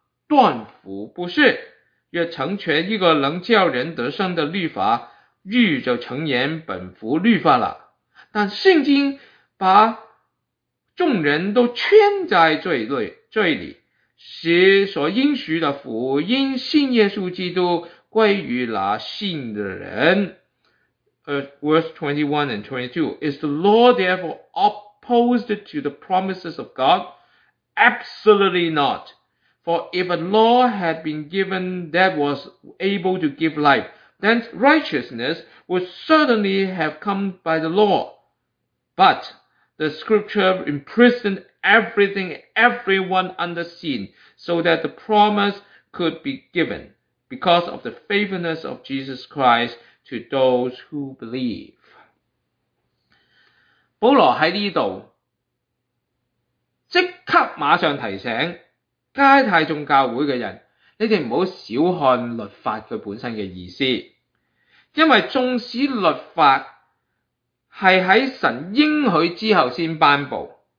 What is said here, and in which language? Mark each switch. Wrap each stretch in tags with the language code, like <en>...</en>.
<zh>断乎不是。若曾存一个能叫人得生的律法，义就诚然本乎律法了。但圣经把众人都圈在罪里，使所应许的福因信耶稣基督归于那信的人。</zh> <en>Verse 21 and 22, is the law therefore opposed to the promises of God? Absolutely not. For if a law had been given that was able to give life, then righteousness would certainly have come by the law. But the scripture imprisoned everything, everyone under sin, so that the promise could be given because of the faithfulness of Jesus Christ to those who believe.</en> <zh>保罗在这里即刻马上提醒加太众教会的人，你们不要小看律法它本身的意思，因为纵使律法是在神应许之后才颁布，</zh>